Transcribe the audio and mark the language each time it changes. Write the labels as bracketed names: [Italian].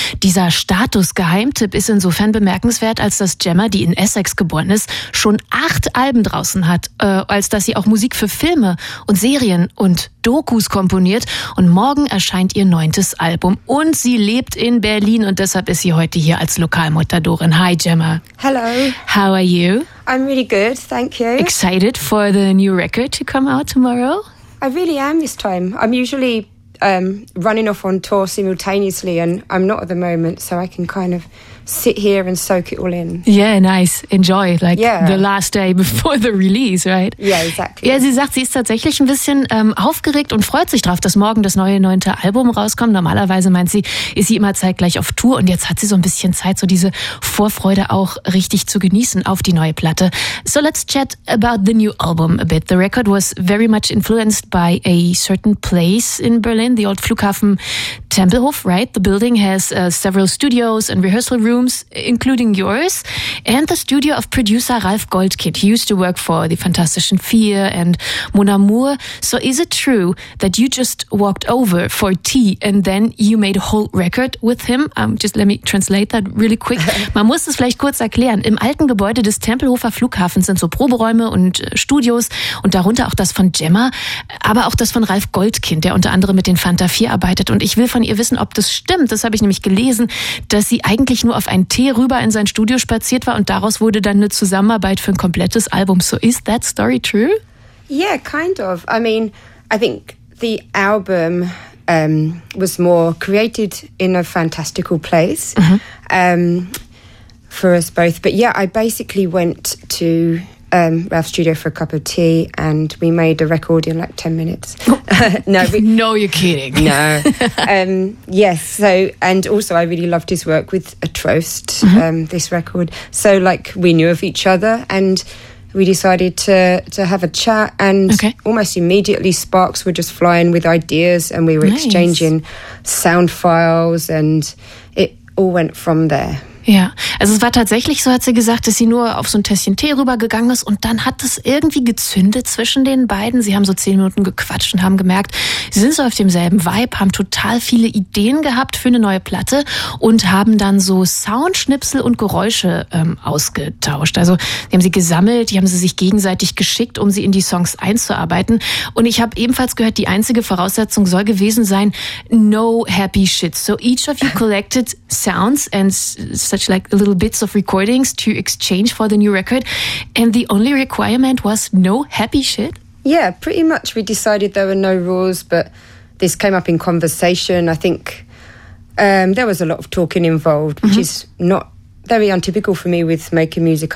[German] Dieser Status-Geheimtipp ist insofern bemerkenswert, als dass Gemma, die in Essex geboren ist, schon 8 Alben draußen hat, als dass sie auch Musik für Filme und Serien und Dokus komponiert. Und morgen erscheint ihr 9. Album. Und sie lebt in Berlin und deshalb ist sie heute hier als Lokalmoderatorin. [English] Hi Gemma. Hello. How are you? I'm really good, thank you. Excited for the new record to come out tomorrow? I really am this time. I'm usually running off on tour simultaneously and I'm not at the moment, so I can kind of sit here and soak it all in. Yeah, nice. Enjoy, like the last day before the release, right? Yeah, exactly. [German] Ja, sie sagt, sie ist tatsächlich ein bisschen aufgeregt und freut sich drauf, dass morgen das neue 9. Album rauskommt. Normalerweise, meint sie, ist sie immer zeitgleich auf Tour und jetzt hat sie so ein bisschen Zeit, so diese Vorfreude auch richtig zu genießen auf die neue Platte. [English] So let's chat about the new album a bit. The record was very much influenced by a certain place in Berlin, the old Flughafen Tempelhof, right? The building has several studios and rehearsal rooms, including yours, and the studio of producer Ralf Goldkind. He used to work for the Fantastischen Vier and Mon Amour. So is it true that you just walked over for tea and then you made a whole record with him? Just let me translate that really quick. [German] Man muss es vielleicht kurz erklären. Im alten Gebäude des Tempelhofer Flughafens sind so Proberäume und Studios und darunter auch das von Gemma, aber auch das von Ralf Goldkind, der unter anderem mit den Fanta 4 arbeitet. Und ich will von ihr wissen, ob das stimmt. Das habe ich nämlich gelesen, dass sie eigentlich nur auf einen Tee rüber in sein Studio spaziert war und daraus wurde dann eine Zusammenarbeit für ein komplettes Album. [English] So is that story true? Yeah, kind of. I mean, I think the album was more created in a fantastical place for us both. But yeah, I basically went to Ralph's studio for a cup of tea and we made a record in like 10 minutes. No, you're kidding. No. Yes, so, and also I really loved his work with Atrost, this record. So like we knew of each other and we decided to have a chat and almost immediately sparks were just flying with ideas and we were exchanging sound files and it all went from there. [German] Ja, also es war tatsächlich so, hat sie gesagt, dass sie nur auf so ein Tässchen Tee rübergegangen ist und dann hat es irgendwie gezündet zwischen den beiden. Sie haben so 10 Minuten gequatscht und haben gemerkt, sie sind so auf demselben Vibe, haben total viele Ideen gehabt für eine neue Platte und haben dann so Soundschnipsel und Geräusche ausgetauscht. Also die haben sie gesammelt, die haben sie sich gegenseitig geschickt, um sie in die Songs einzuarbeiten. Und ich habe ebenfalls gehört, die einzige Voraussetzung soll gewesen sein, [English] no happy shit. So each of you collected sounds and such like little bits of recordings to exchange for the new record. And the only requirement was no happy shit? Yeah, pretty much. We decided there were no rules, but this came up in conversation. I think there was a lot of talking involved, which is not very untypical for me with making music.